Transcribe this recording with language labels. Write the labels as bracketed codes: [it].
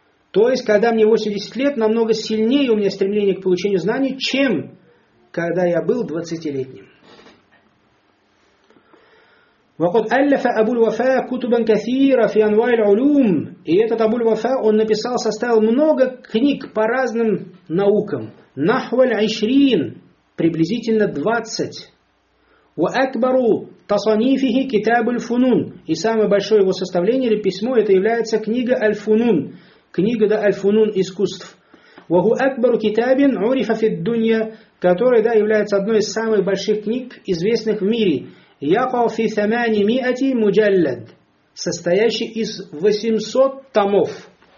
[ru] То есть, когда мне 80 лет, намного сильнее у меня стремление к получению знаний, чем когда я был 20-летним. [ar] وَقَدْ أَلَّفَ أَبُو الْوَفَا كُتُبًا كَثِيرًا فِي أَنْوَاعِ الْعُلُومِ. [ru] И этот Абу ль-Вафа, он написал, составил много книг по разным наукам. [ar] نَحْوَ الْعِشْرِينَ. [ru] приблизительно 20. [ar] وأكبر تصنيفه كتاب الفنون. [ru] И самое большое его составление или письмо это является книга Аль-Фунун. Книга да Аль-Фунун искусств. [ar] وهو أكبر كتاب عرف في الدنيا, [ru] который да является одной из самых больших книг известных в мире. [ar] يقع في 800 مجلد, [ru] состоящий из 800 томов.